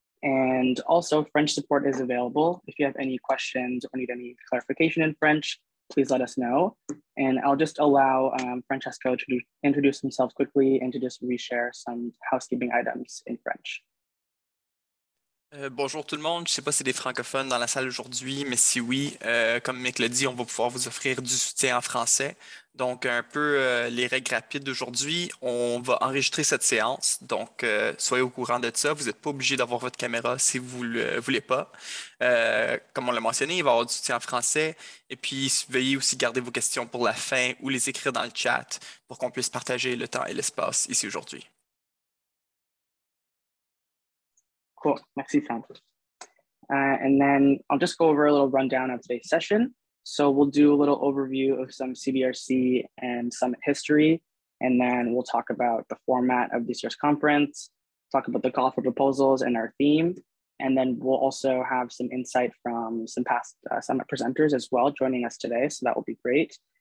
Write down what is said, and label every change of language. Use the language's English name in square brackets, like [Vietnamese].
[English] And also, French support is available. If you have any questions or need any clarification in French, please let us know. And I'll just allow Francesco to introduce himself quickly and to just reshare some housekeeping items in French. [French] Bonjour tout le monde. Je ne sais pas si c'est des francophones dans la salle aujourd'hui, mais si oui, comme Mick l'a dit, on va pouvoir vous offrir du soutien en français. Donc, un peu les règles rapides d'aujourd'hui. On va enregistrer cette séance. Donc, soyez au courant de ça. Vous n'êtes pas obligé d'avoir votre caméra si vous ne le voulez pas. Comme on l'a mentionné, il va y avoir du soutien en français. Et puis, veuillez aussi garder vos questions pour la fin ou les écrire dans le chat pour qu'on puisse partager le temps et l'espace ici aujourd'hui. Cool, merci Fran. [English] And then I'll just go over a little rundown of today's session. So we'll do a little overview of some CBRC and summit history, and then we'll talk about the format of this year's conference, talk about the call for proposals and our theme, and then we'll also have some insight from some past summit presenters as well joining us today, so that will be great.